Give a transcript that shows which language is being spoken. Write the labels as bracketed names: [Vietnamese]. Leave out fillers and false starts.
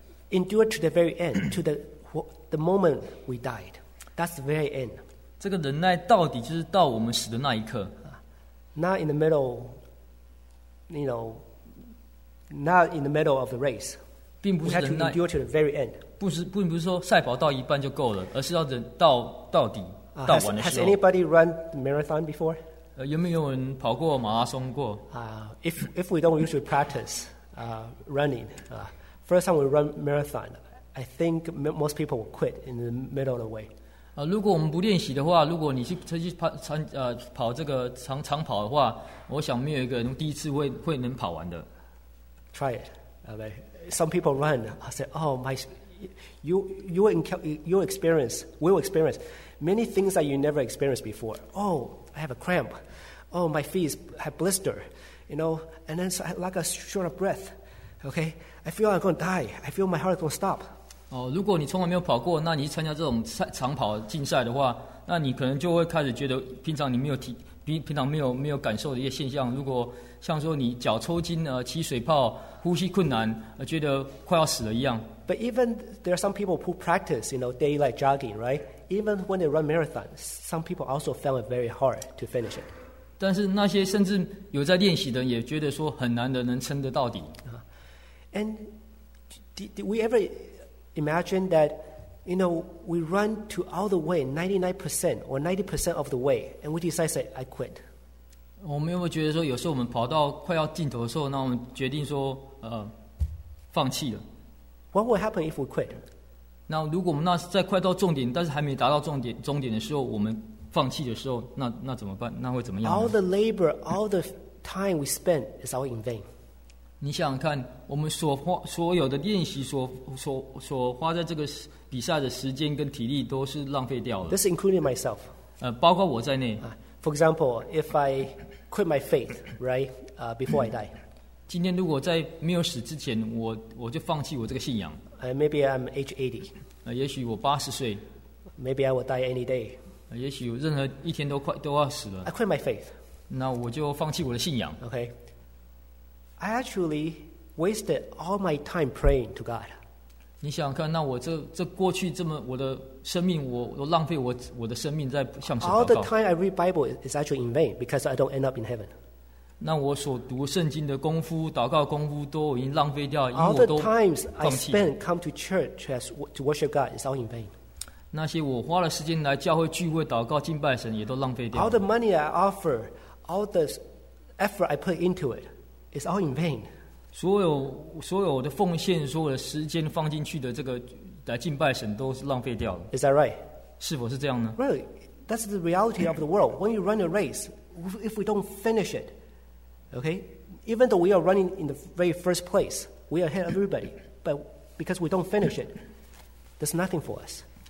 [English] Endure to the very end, to the moment we died. That's the very end. [Chinese] 这个忍耐到底就是到我们死的那一刻。 [English] Not in the middle, you know, not in the middle of the race. [Chinese] 并不是忍耐。 [English] We had to endure to the very end. [Chinese] 并不是说赛跑到一半就够了，而是要忍到底，到完的时候。 [English] Has anybody run the marathon before? [Chinese] 有没有人跑过马拉松过？ [English] If we don't usually practice running, First time we run marathon, I think most people will quit in the middle of the way. [Chinese] 如果我们不练习的话，如果你去曾经跑这个长跑的话，我想没有一个人第一次会能跑完的。 [English] Try it, okay? Some people run. I say, oh my, you will experience many things that you never experienced before. Oh, I have a cramp. Oh, my feet have blister. You know, and then I like a short of breath. Okay, I feel I'm going to die. I feel my heart is going to stop. [Chinese] 如果你从来没有跑过，那你去参加这种长跑竞赛的话，那你可能就会开始觉得平常你没有体平常没有感受的一些现象，如果像说你脚抽筋起水泡、呼吸困难，觉得快要死了一样。 [English] But even there are some people who practice, you know, daylight jogging, right? Even when they run marathon, some people also found it very hard to finish it. [Chinese] 但是那些甚至有在练习的，也觉得说很难的能撑得到底。 [English] And did we ever imagine that, you know, we run to all the way, 99% or 90% of the way, and we decide say, I quit? [Chinese] 我们有没有觉得说，有时候我们跑到快要尽头的时候，那我们决定说，放弃了？ [English] What will happen if we quit? [Chinese] 那如果我们那在快到终点，但是还没达到终点的时候，我们放弃的时候，那怎么办？那会怎么样 [English] ？All the labor, all the time we spend is all in vain. [Chinese] 你想想看，我们所有的练习所花在这个比赛的时间跟体力都是浪费掉了。 [English] This including myself. [Chinese] 包括我在内。 [English] For example, if I quit my faith, right, before I die. [Chinese] 今天如果在没有死之前，我就放弃我这个信仰。 [English] Maybe I'm age 80. [Chinese] 也许我80岁。 [English] Maybe I will die any day. [Chinese] 也许任何一天都要死了。 [English] I quit my faith. [Chinese] 那我就放弃我的信仰。 [English] Okay. I actually wasted all my time praying to God. [Chinese] 你想想看，那我这过去这么我的生命，我浪费我的生命在向神祷告。 [English] All the time I read Bible is actually in vain because I don't end up in heaven. [Chinese] 那我所读圣经的功夫、祷告功夫都已经浪费掉，因为我都放弃。 [English] All the times I spend come to church to worship God is all in vain. [Chinese] 那些我花了时间来教会聚会、祷告、敬拜神，也都浪费掉。 [English] All the money I offer, all the effort I put into it is all in vain. [Chinese] 所有的奉献、所有的时间放进去的这个来敬拜神，都是浪费掉了。 [English] Is that right? [Chinese] 是否是这样呢 [English] ？Really, that's the reality of the world. When you run a race, if we don't finish it. Okay, even though we are running in the very first place, we are ahead of everybody. But because we don't finish it, there's nothing for us.